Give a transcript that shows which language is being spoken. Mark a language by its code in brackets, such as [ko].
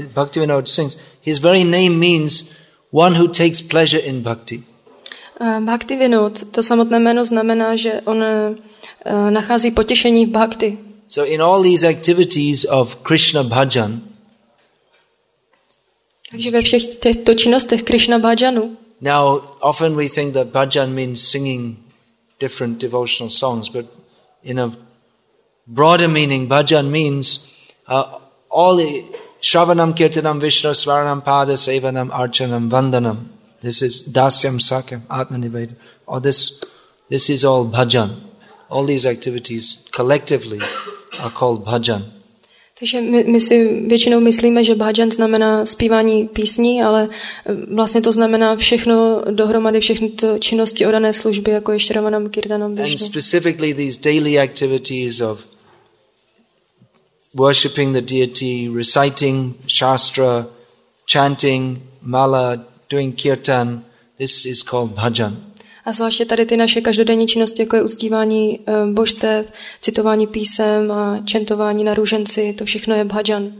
[en] Bhakti vinod sings, his very name means one who takes pleasure in bhakti. [cs] Bhakti Vinod, to samotné jméno znamená, že on nachází potěšení v bhakti. [en] So in all these activities of Krishna bhajan. [cs] Takže ve všech těchto činnostech Krishna bhajanu. [en] Now often we think that bhajan means singing different devotional songs, but in a broader meaning bhajan means all the [sa] shravanam kirtanam vishnu svaranam pada sevanam archanam vandanam. [en] This is [sa] dasyam sakyam atmanivedam. [en] Or this is all bhajan. All these activities collectively are called bhajan. [cs] Takže my si většinou myslíme, že bhajan znamená zpívání písní, ale vlastně to znamená všechno dohromady, všechny to činnosti odané služby, jako je šravanam, kirtanam, [en] vishnu. And specifically these daily activities of worshipping the deity, reciting shastra, chanting mala, doing kirtan, this is called bhajan. [cs] A zvláště tady ty naše každodenní činnosti, jako je uctívání božstev, citování písem a čentování na růženci, to všechno je bhajan.